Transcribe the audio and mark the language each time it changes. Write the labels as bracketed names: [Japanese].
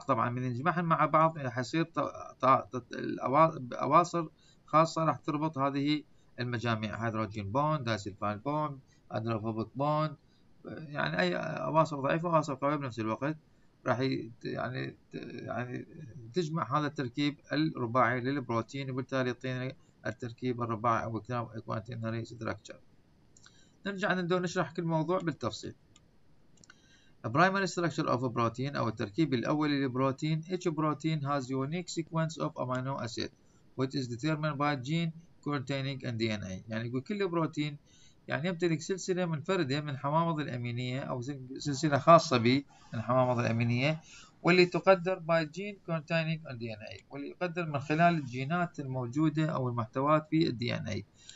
[Arabic] طبعا من نجمعهم مع بعض حصير اواصر خاصه راح تربط هذه المجاميع، هيدروجين بوند، دايسلفايد بوند، هيدروفوبيك بوند، يعني اي اواصر ضعيفه واواصر قويه بنفس الوقت راح يعني تجمع هذا التركيب الرباعي للبروتين، وبالتالي يعطينا التركيب الرباعي او الكواتيرنري ستراكشر. نرجع ندور نشرح كل موضوع بالتفصيل. [English] Primary structure of a protein [Arabic] أو التركيب الأول للبروتين. [English] Each protein has unique sequence of amino acid which is determined by gene containing and DNA. [Arabic] يعني يقول كل بروتين يعني يمتلك سلسلة منفردة من حمامض الأمينية أو سلسلة خاصة به من حمامض الأمينية، واللي تقدر [English] by gene containing and DNA، [Arabic] واللي يقدر من خلال الجينات الموجودة أو المحتويات في DNA.